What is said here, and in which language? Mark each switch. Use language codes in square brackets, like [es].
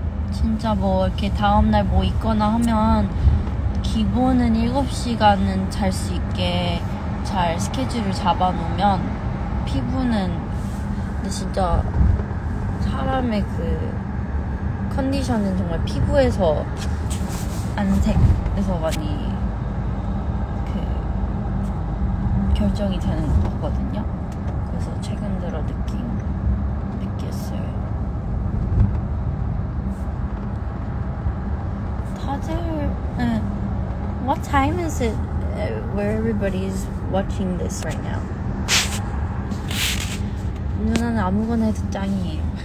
[ko] 진짜 뭐 이렇게 다음날 뭐 있거나 하면 기본은 7시간은 잘 수 있게 잘 스케줄을 잡아놓으면 피부는 근데 진짜 사람의 그 컨디션은 정말 피부에서 안색에서 많이 그 결정이 되는 것 같거든요. 그래서 최근 들어 느꼈어요. 다들 [en] What time is it where everybody is watching this right now? [ko] 누나는 아무거나 해도 짱이에요.